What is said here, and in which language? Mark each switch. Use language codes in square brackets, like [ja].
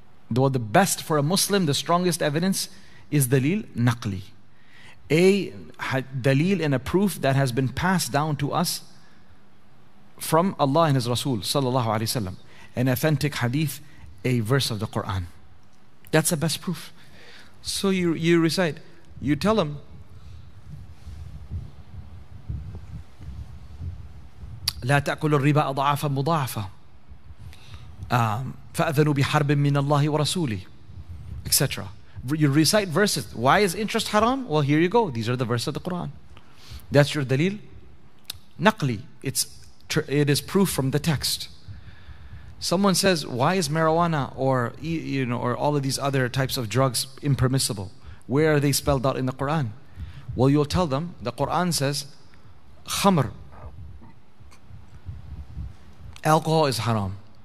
[en] Well, the best for a Muslim, the strongest evidence is dalil naqli. A dalil and a proof that has been passed down to us from Allah and His Rasul sallallahu alaihi wasallam, an authentic hadith, a verse of the Quran. That's the best proof. So you recite, you tell him, [ar] لا تأكل الربا أضعافا مضاعفة فأذنوا بحرب من الله ورسوله, etc. [en] You recite verses. Why is interest haram? Well, here you go. These are the verses of the Quran. That's your dalil naqli. It is proof from the text. Someone says, why is marijuana or all of these other types of drugs impermissible? Where are they spelled out in the Quran? Well, you'll tell them, the Quran says, khamr, alcohol is haram.